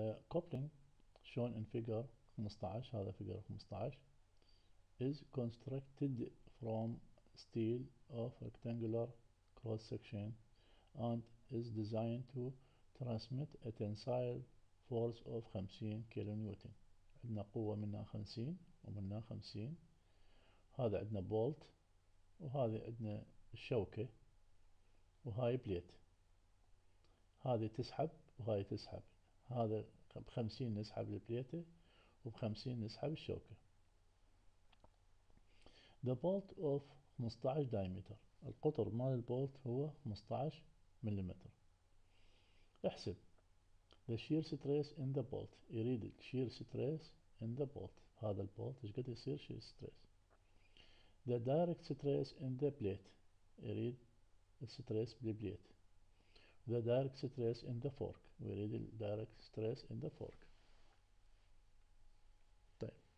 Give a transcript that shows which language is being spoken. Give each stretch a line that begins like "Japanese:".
English: Coupling shown in figure 15,
Arabic: هذا
English: figure 15, is constructed from steel of rectangular cross section and is designed to transmit a tensile force of 50 kN.
Arabic: عندنا قوة منها 50 ومنها 50. هذا عندنا بولت وهذه عندنا الشوكة وهاي بليت. هذه تسحب وهاي تسحب. هذا بخمسين نسحب البليتة وبخمسين نسحب الشوكة.
English: The bolt of 15 diameter.
Arabic: القطر مال البولت هو 15 مليمتر. احسب
English: the shear stress in the bolt.
Arabic: يريد
English: shear stress in the bolt.
Arabic: هذا البولت ايش قد يصير shear stress.
English: The direct stress in the plate.
Arabic: يريد الستريس بالبليت.
English: The direct stress in the fork. We read the direct stress in the fork.
Arabic: طيب.